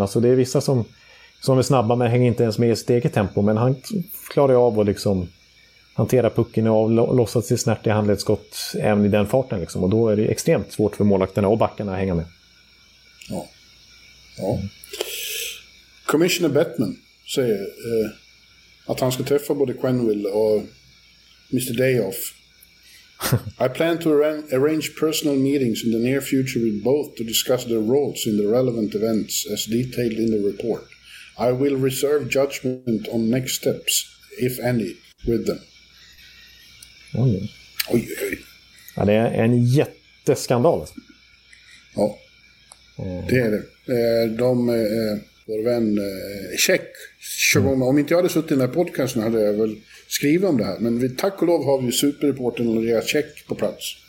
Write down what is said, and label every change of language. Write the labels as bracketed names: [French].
[Swedish] Alltså, det är vissa som är snabba men hänger inte ens med i steget tempo, men han klarar av att liksom hantera pucken och lossa sig snärt i handledsskott även i den farten liksom. Och då är det extremt svårt för målvakterna och backarna att hänga med. Ja. Ja. Commissioner Bettman säger att han ska träffa både Quenneville och Mr. Dayoff. [English] I plan to arrange personal meetings in the near future with both to discuss their roles in the relevant events as detailed in the report. I will reserve judgment on next steps, if any, with them. [Swedish] Oj. Oj, oj. Ja, det är en jätteskandal. Ja, det är det. De, vår vän Tjeck, om inte jag hade suttit i den här podcasten hade jag väl skrivit om det här. Men vi, tack och lov har vi superreporten Andrea Tjeck på plats.